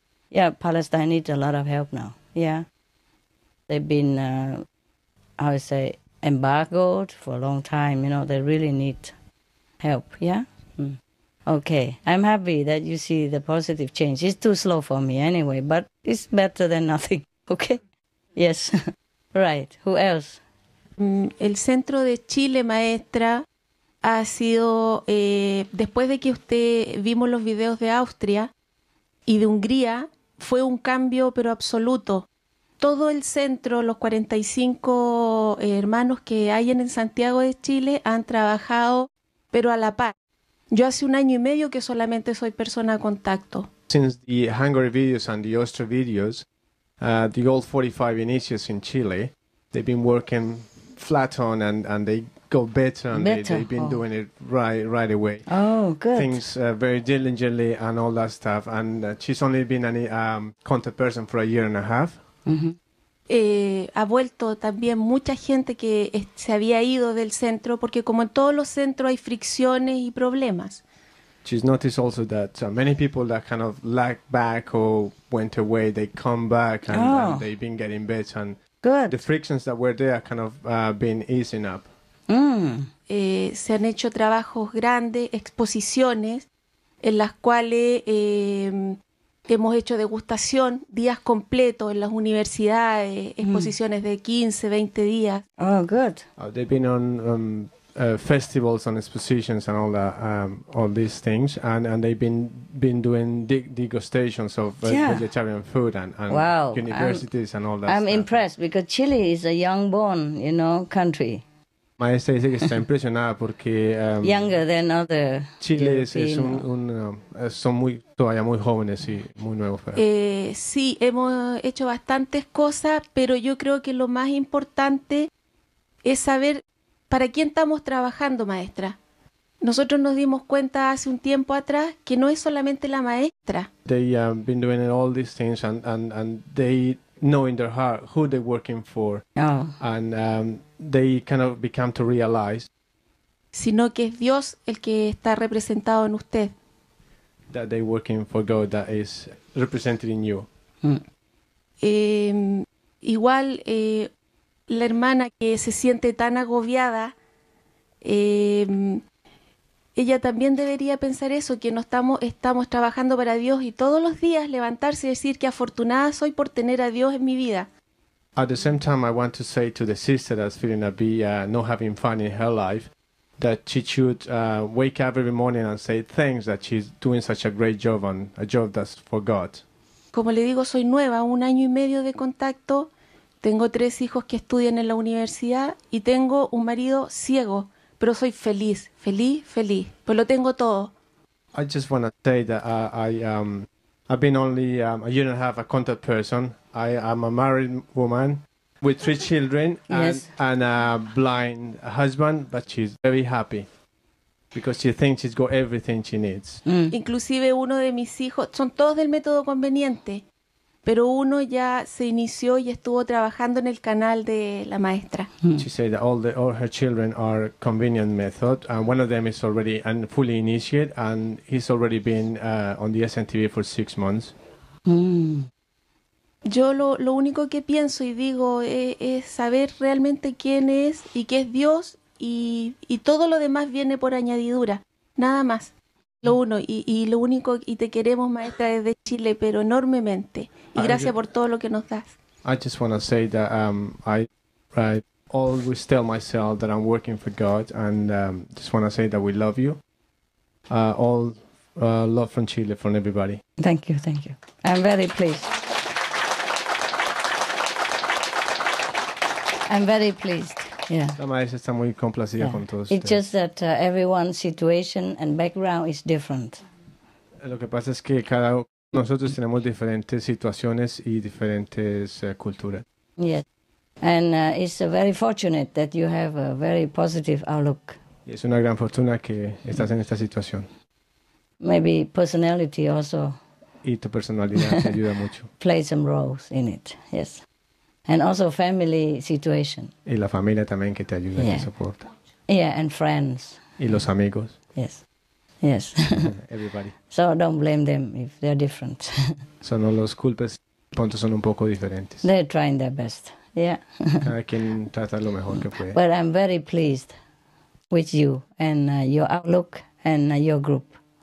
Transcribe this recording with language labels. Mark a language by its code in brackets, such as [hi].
[en] Yeah, Palestine needs a lot of help now. Yeah? They've been, embargoed for a long time. You know, they really need help. Yeah? Okay, I'm happy that you see the positive change. It's too slow for me anyway, but it's better than nothing, okay? Yes, right. Who else? [es] El centro de Chile, maestra, ha sido, después de que usted vimos los videos de Austria y de Hungría, fue un cambio pero absoluto. Todo el centro, los 45 hermanos que hay en el Santiago de Chile, han trabajado pero a la par. Yo hace un año y medio que solamente soy persona de contacto. [en] Since the Hungary videos and the Austria videos, the old 45 initiates in Chile, they've been working flat on and they go better and better. They've been doing it right away. Oh, good. Things very diligently and all that stuff. And she's only been a contact person for a year and a half. [es] Ha vuelto también mucha gente que se había ido del centro porque como en todos los centros hay fricciones y problemas. [en] She's noticed also that many people that kind of lagged back or went away, they come back and they've been getting better. And good. The frictions that were there kind of been easing up. [es] Se han hecho trabajos grandes, exposiciones, en las cuales hemos hecho degustación, días completos en las universidades, exposiciones de 15, 20 días. [en] Oh, good. They've been on festivals and expositions and all that, all these things, and they've been doing degustations of vegetarian food and wow. Universities and all that. I'm impressed because Chile is a young born, you know, country. [es] Maestra dice que está impresionada porque [en] younger than other [es] Chile es un son muy todavía muy jóvenes y muy nuevos. Sí, hemos hecho bastantes cosas, pero yo creo que lo más importante es saber para quién estamos trabajando, maestra. Nosotros nos dimos cuenta hace un tiempo atrás que no es solamente la maestra. [en] They have been doing all these things and they know in their heart who they're working for. Oh. And they kind of become to realize. [es] Sino que es Dios el que está representado en usted. [en] That they're working for God that is represented in you. [es] Igual la hermana que se siente tan agobiada, ella también debería pensar eso, que no estamos trabajando para Dios y todos los días levantarse y decir que afortunada soy por tener a Dios en mi vida. [en] At the same time, I want to say to the sister that's feeling a bit not having fun in her life, that she should wake up every morning and say thanks that she's doing such a great job and a job that's for God. [es] Como le digo, soy nueva, un año y medio de contacto, tengo tres hijos que estudian en la universidad y tengo un marido ciego. Pero soy feliz, feliz, feliz. Pues lo tengo todo. [en] I just want to say that I've been only a year and a half a contact person. I am a married woman with three children and a blind husband, but she's very happy because she thinks she's got everything she needs. [es] Inclusive uno de mis hijos, son todos del método conveniente, pero uno ya se inició y estuvo trabajando en el canal de la maestra. [en] She said that all her children are convenient method, and one of them is already and fully initiated, and he's already been on the SNTV for 6 months. [es] Yo lo único que pienso y digo es saber realmente quién es y qué es Dios, y todo lo demás viene por añadidura, nada más. Lo uno, y lo único, y te queremos, maestra, desde Chile, pero enormemente. Y gracias por todo lo que nos das. [en] I just want to say that I always tell myself that I'm working for God, and just want to say that we love you. All love from Chile, from everybody. Thank you, thank you. I'm very pleased. I'm very pleased. Yeah. It's just that everyone's situation and background is different. [es] Lo que pasa es que cada nosotros tenemos diferentes situaciones y diferentes culturas. [en] Yes. And it's very fortunate that you have a very positive outlook. [es] Es una gran fortuna que estás en esta situación. [en] Maybe personality also. [es] Y tu personalidad te ayuda mucho. [en] Play some roles in it, yes. And also family situation. [es] Y la familia también que te ayuda y soporta. [en] Yeah, and friends. [es] Y los amigos. [en] Yes, yes. Everybody. So don't blame them if they're different. [es] So no los culpes, pronto son un poco diferentes. [en] They're trying their best, yeah. [es] Cada quien trata lo mejor que puede. [en] But I'm very pleased with you and your outlook and your group.